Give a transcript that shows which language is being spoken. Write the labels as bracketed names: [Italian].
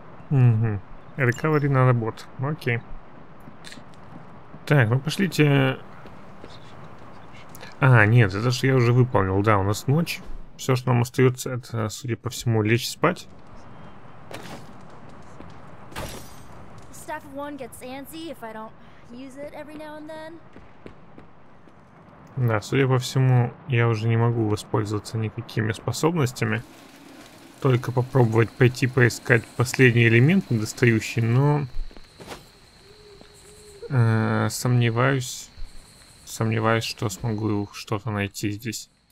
[Russian] Рекавери на работ. Окей. Так, ну пошлите. А, нет, это же я уже выполнил. Да, у нас ночь. Все, что нам остается, это, судя по всему, лечь спать. [English] Staff of one gets antsy if I don't use it every now and then. [Russian] Да, судя по всему, я уже не могу воспользоваться никакими способностями. Только попробовать пойти поискать последний элемент недостающий, но сомневаюсь, что смогу что-то найти здесь.